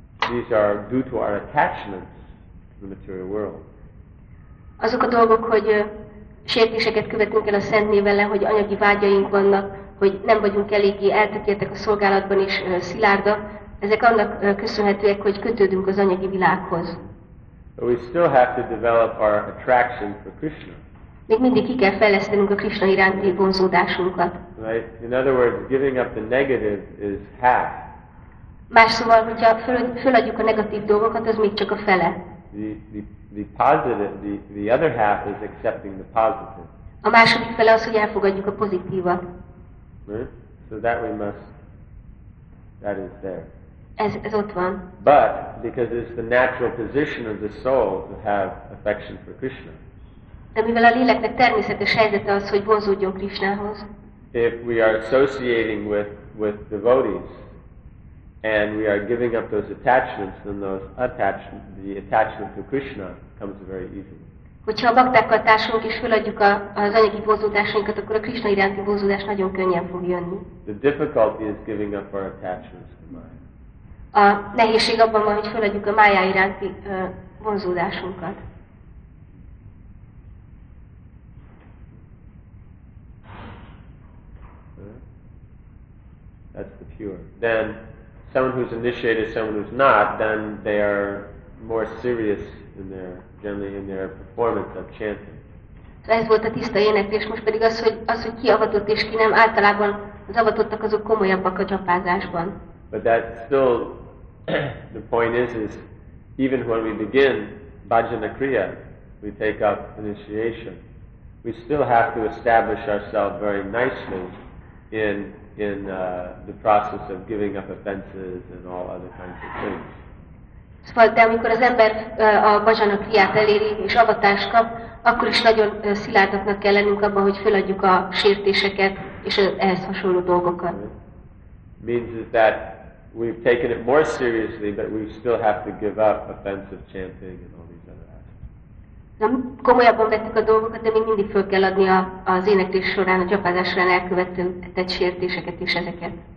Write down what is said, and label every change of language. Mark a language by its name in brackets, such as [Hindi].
[English] These are due to our attachments to the material world. [Hungarian] Azok a dolgok, hogy sértéseket követünk el a szent névvel, hogy anyagi vágyaink vannak, hogy nem vagyunk eléggé eltökéltek a szolgálatban is szilárdak, ezek annak köszönhetőek, hogy kötődünk az anyagi világhoz. [English] But we still have to develop our attraction for Krishna. [Hungarian] Még mindig ki kell fejlesztenünk a Krishna iránti vonzódásunkat. [English] Right? In other words, giving up the negative is half. [Hungarian] Más szóval, hogyha föladjuk a negatív dolgokat, az még csak a fele. [English] The positive, the other half is accepting the positive. [Hungarian] A második fele az, hogy elfogadjuk a pozitívat. [English] So that we must, that is there. [Hungarian] Ez ott van. [English] But, because it's the natural position of the soul to have affection for Krishna. [Hungarian] De mivel a léleknek természetes helyzete az, hogy vonzódjon Krishnához. [English] If we are associating with devotees, and we are giving up those attachments, then the attachment to Krishna comes very easily. [Hungarian] Hogyha a baktákkal társulunk és feladjuk az anyagi vonzódásainkat, akkor a Krishna iránti vonzódás nagyon könnyen fog jönni. [English] The difficulty is giving up our attachments to Maya. [Hungarian] A nehézség abban van, hogy feladjuk a Maya iránti vonzódásunkat. [English] That's the pure. Then someone who's initiated, someone who's not, then they are more serious in their, generally in their performance of chanting. [Hungarian] Ez volt a tiszta éneklés, most pedig az, hogy ki avatott és ki nem, általában az avatottak azok komolyabbak a japázásban. [English] But that still, the point is even when we begin bhajana kriya, we take up initiation, we still have to establish ourselves very nicely in the process of giving up offenses and all other kinds of things. [Hungarian] Szóval, de amikor az ember a bhajana kriyát eléri és avatást kap, akkor is nagyon szilárdaknak kell lennünk abban, hogy feladjuk a sértéseket és ehhez hasonló dolgokat. [English] Means that we've taken it more seriously, but we still have to give up offensive chanting and all these other aspects. [Hungarian] Nem komolyabban vettük a dolgokat, de még mindig föl kell adni az éneklés során, a gyakorlás során elkövetett sértéseket és ezeket.